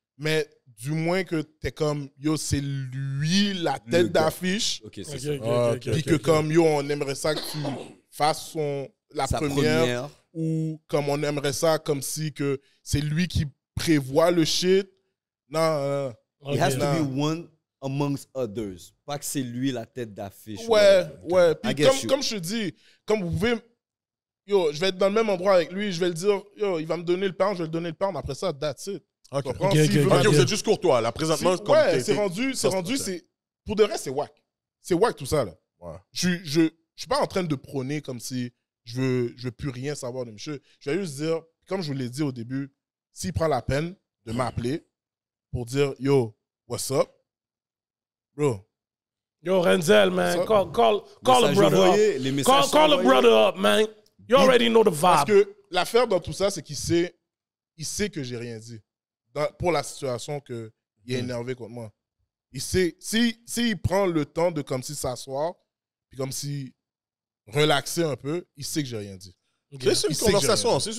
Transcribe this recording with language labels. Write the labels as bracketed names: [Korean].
[French] Mais du moins que t'es comme, yo, c'est lui la tête d'affiche. Ok, c'est okay, ça. Okay, okay, okay, puis okay, que okay. Comme, yo, on aimerait ça que tu fasses sa première. Ou comme on aimerait ça, comme si que c'est lui qui prévoit le shit. Non. [English] It has to be one amongst others. [French] Pas que c'est lui la tête d'affiche. Ouais. Puis comme je te dis, comme vous pouvez yo, je vais être dans le même endroit avec lui, je vais le dire, yo, il va me donner le pound, je vais le donner le pound, après ça, [English] that's it. [French] Ok, okay. Vous êtes juste courtois, là, présentement. C'est, ouais, c'est rendu, pour de vrai, c'est whack. C'est whack tout ça, là. Ouais. Je suis pas en train de prôner comme si je veux plus rien savoir de monsieur. Je vais juste dire, comme je vous l'ai dit au début, s'il prend la peine de m'appeler pour dire, [English] yo, what's up, bro. Yo, Renzel, man, call a brother up. Call a brother up, man. You already know the vibe. [French] Parce que l'affaire dans tout ça, c'est qu'il sait, que j'ai rien dit pour la situation qu'il est énervé contre moi. Il sait, s'il prend le temps de comme si s'asseoir, puis comme si relaxer un peu, il sait que j'ai rien dit. Okay. C'est une conversation,